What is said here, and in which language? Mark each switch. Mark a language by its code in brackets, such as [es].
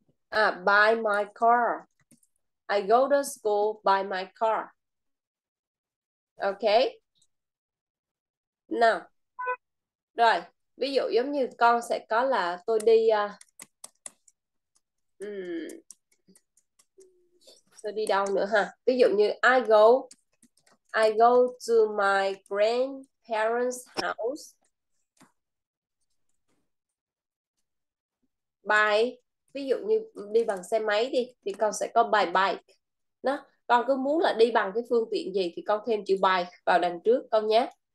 [en] À, by my car. I go to school by my car. Ok. [vi] Nào. Rồi. Ví dụ giống như con sẽ có là tôi đi tôi đi đâu nữa ha? Ví dụ như [en] I go to my grandparents' house. [vi] Ví dụ như đi bằng xe máy đi thì con sẽ có [en] by bike. [vi] Đó, con cứ muốn là đi bằng cái phương tiện gì thì con thêm chữ by vào đằng trước con nhé.